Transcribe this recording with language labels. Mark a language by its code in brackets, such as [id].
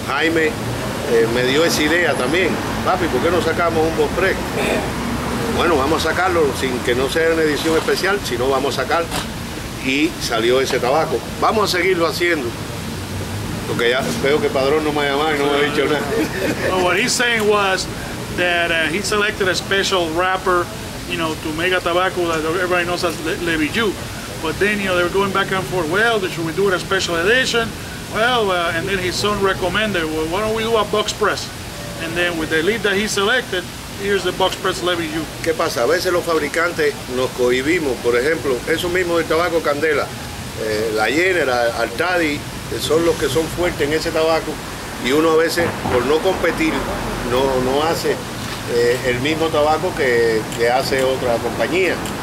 [es] Jaime me dio esa idea también. Papi, ¿por qué no sacamos un box press? Bueno, vamos a sacarlo sin que no sea una edición especial, si no vamos a sacar. Y salió ese tabaco. Vamos a seguirlo haciendo. Porque ya veo que Padrón no me ha llamado y no me ha dicho nada. [en] So what he's saying was that he selected a special wrapper, you know, to make a tobacco that everybody knows as Levillú. But then, you know, they were going back and forth, well, should we do it a special edition? Well, and then his son recommended, well, why don't we do a box press? And then with the lead that he selected, here's the box press Levillú. [es] ¿Qué pasa? A veces los fabricantes nos cohibimos. Por ejemplo, eso mismo del tabaco Candela, la Jenera, Altadi, son los que son fuertes en ese tabaco, y uno a veces, por no competir, no hace el mismo tabaco que hace otra compañía.